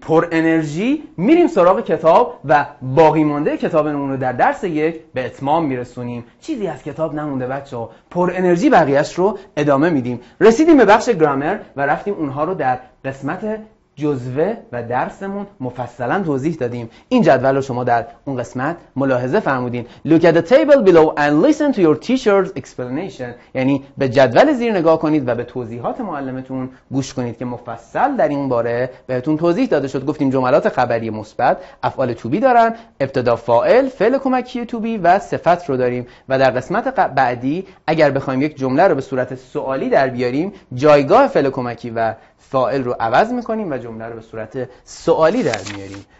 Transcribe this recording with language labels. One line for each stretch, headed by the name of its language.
Persian: پر انرژی میریم سراغ کتاب و باقی مانده کتابمون رو در درس یک به اتمام میرسونیم. چیزی از کتاب نمونده بچه ها، پر انرژی بقیهش رو ادامه میدیم. رسیدیم به بخش گرامر و رفتیم اونها رو در قسمت جزوه و درسمون مفصلا توضیح دادیم. این جدول رو شما در اون قسمت ملاحظه فرمودین.
English: Look at the table below and listen to your teacher's explanation.
Persian: یعنی به جدول زیر نگاه کنید و به توضیحات معلمتون گوش کنید که مفصل در این باره بهتون توضیح داده شد. گفتیم جملات خبری مثبت افعال to be دارن، ابتدا فاعل، فعل کمکی to be و صفت رو داریم. و در قسمت بعدی اگر بخوایم یک جمله رو به صورت سوالی در بیاریم، جایگاه فعل کمکی و فاعل رو عوض میکنیم و جمله رو به صورت سوالی در میاریم.